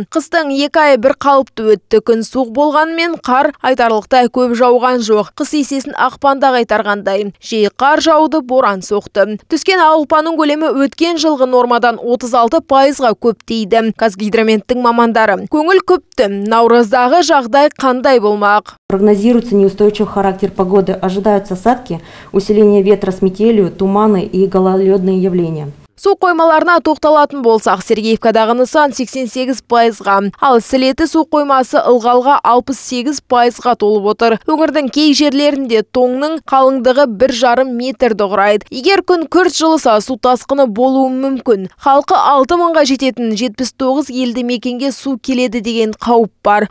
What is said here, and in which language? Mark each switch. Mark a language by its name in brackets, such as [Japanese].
[Kazakh] Қыстың 2 ай бір қалыпты өтті. Күн суық болғанмен қар айтарлықтай көп жауған жоқ. Қыс есесін ақпанда қайтарғандай. Жей қар жауды, боран соқты. Түскен алпаның көлемі өткен жылғы нормадан 36%-ға көп дейді. Қазгидрометтің мамандары. Көңіл күпті. Наурыздағы жағдай қандай болмақ? [Russian] Прогнозируется неустойчивый характер погоды, ожидаются осадки, усиление ветра с метелью, туманы и гололедные явления. [Kazakh] Су қоймаларына тоқталатын болсақ, Сергеевкадағы нысан 88%-ға, ал Сілеті су қоймасы ылғалға 68%-ға толып отыр. Өңірдің кей жерлерінде тоңның қалыңдығы 1,5 метрді құрайды. Егер күн күрт жылыса, су тасқыны болуы мүмкін. Халқы 6000-ға жететін 79 елді мекенге су келеді деген қауіп бар.